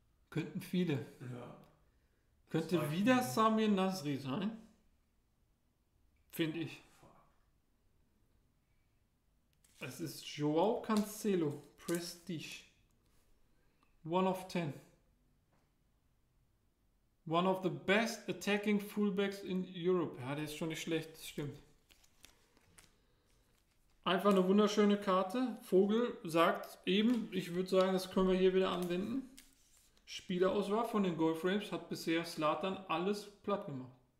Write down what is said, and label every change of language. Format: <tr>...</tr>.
<de>Könnten viele. Ja. Könnte wieder Samir Nasri sein. Finde ich. Es ist Joao Cancelo, Prestige.</de> <en>One of 10. One of the best attacking fullbacks in Europe.</en> <de>Ja, der ist schon nicht schlecht, das stimmt. Einfach eine wunderschöne Karte. Vogel sagt eben, ich würde sagen, das können wir hier wieder anwenden. Spielerauswahl von den Goldframes hat bisher Zlatan alles platt gemacht.</de>